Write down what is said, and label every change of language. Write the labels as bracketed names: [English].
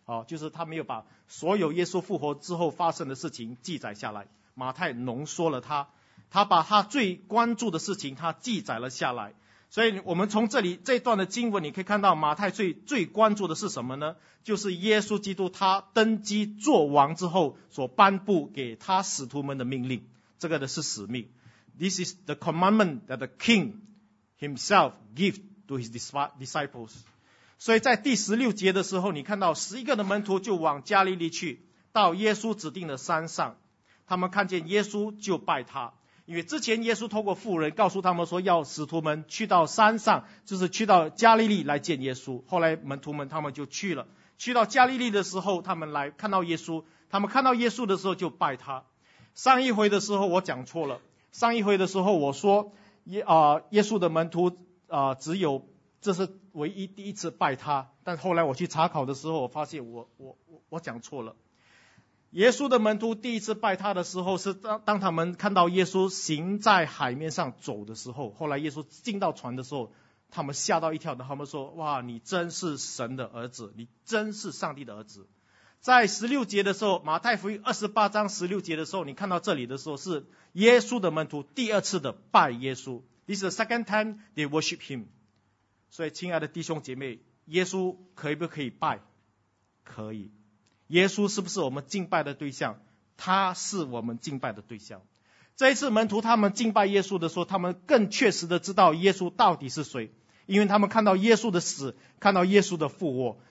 [Chinese] 就是他没有把所有耶稣复活之后发生的事情记载下来，马太浓缩了他把他最关注的事情他记载了下来。所以我们从这里这段的经文你可以看到，马太最关注的是什么呢？就是耶稣基督他登基做王之后所颁布给他使徒们的命令，这个的是使命。 [English] This is the commandment that the king himself gave to his disciples。 [Chinese] 所以在第16节的时候，你看到11个的门徒就往加利利去，到耶稣指定的山上，他们看见耶稣就拜他。因为之前耶稣透过妇人告诉他们说，要使徒们去到山上，就是去到加利利来见耶稣。后来门徒们他们就去了，去到加利利的时候，他们来看到耶稣，他们看到耶稣的时候就拜他。上一回的时候我讲错了，上一回的时候我说耶稣的门徒只有这是唯一第一次拜他，但后来我去查考的时候，我发现我讲错了。耶稣的门徒第一次拜他的时候是当他们看到耶稣行在海面上走的时候，后来耶稣进到船的时候，他们吓到一跳，他们说：哇，你真是神的儿子，你真是上帝的儿子。在16节的时候，马太福音28章16节的时候，你看到这里的时候是耶稣的门徒第二次的拜耶稣。 [English] This is the second time they worship him。 [Chinese] 所以亲爱的弟兄姐妹，耶稣可以不可以拜？可以。耶稣是不是我们敬拜的对象？他是我们敬拜的对象。这一次门徒他们敬拜耶稣的时候，他们更确实的知道耶稣到底是谁，因为他们看到耶稣的死，看到耶稣的复活。